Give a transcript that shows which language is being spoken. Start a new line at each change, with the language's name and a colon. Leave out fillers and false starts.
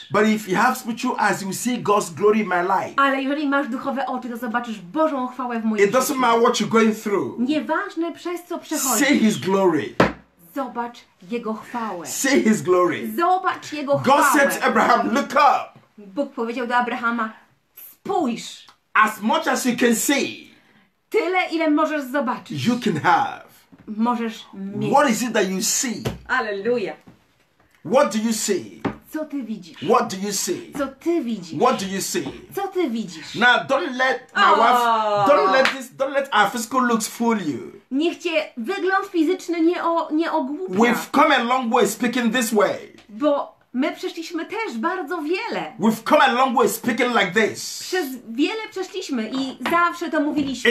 English: But if you have spiritual eyes, you see God's glory in my life.
Polish: Ale jeżeli masz duchowe oczy, to zobaczysz Bożą chwałę w mojej życiu.
English: It doesn't matter what you're going through.
Polish: Nieważne, przez co przechodzisz.
English: See His glory.
Polish: Zobacz Jego chwałę.
English: See His glory.
Polish: Zobacz Jego chwałę.
English: God said to Abraham, look up.
Polish: Bóg powiedział do Abrahama, spójrz.
English: As much as you can see.
Polish: Tyle, ile możesz zobaczyć.
English: You can have.
Polish: Możesz mieć.
English: What is it that you see?
Polish: Alleluja.
English: What do you see?
Polish: Co ty widzisz?
English: What do you see?
Polish: Co ty widzisz?
English: What do you see?
Polish: Co ty widzisz?
English: Now don't let my wife, don't let our physical looks fool you.
Polish: Niech cię wygląd fizyczny nie ogłupia.
English: We've come a long way speaking this way.
Polish: Bo my przeszliśmy też bardzo wiele.
English: We've come a long way speaking like this.
Polish: Przez wiele przeszliśmy i zawsze to mówiliśmy.